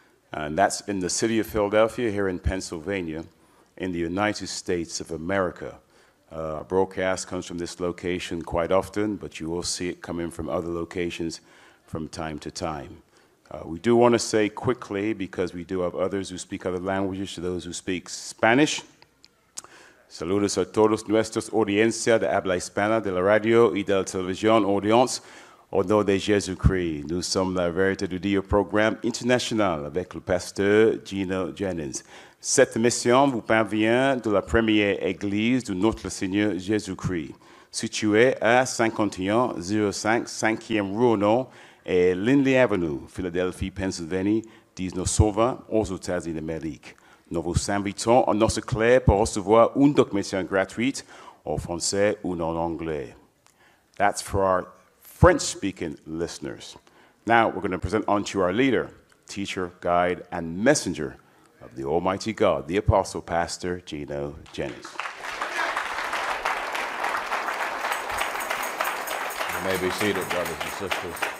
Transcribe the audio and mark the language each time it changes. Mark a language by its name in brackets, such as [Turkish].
[English] And that's in the city of Philadelphia, here in Pennsylvania, in the United States of America. Broadcast comes from this location quite often, but you will see it coming from other locations from time to time. We do want to say quickly, because we do have others who speak other languages, to those who speak Spanish. [Spanish] Saludos a todos nuestros audiencia de habla hispana de la radio y de la televisión audience, [French] au nom de Jésus-Christ. Nous sommes la Verité du Dieu programme international avec le pasteur Gino Jennings. Cette mission vous parvient de la première église de notre Seigneur Jésus-Christ, située à 5105 5e Rue et Lindley Avenue, Philadelphie, Pennsylvanie, 1920, aux États-Unis d'Amérique. Nous vous invitons à notre clair pour recevoir une documentation gratuite en français ou en anglais. [English] That's for our French-speaking listeners. Now, we're going to present unto you our leader, teacher, guide, and messenger of the Almighty God, the Apostle Pastor Gino Jennings. You may be seated, brothers and sisters.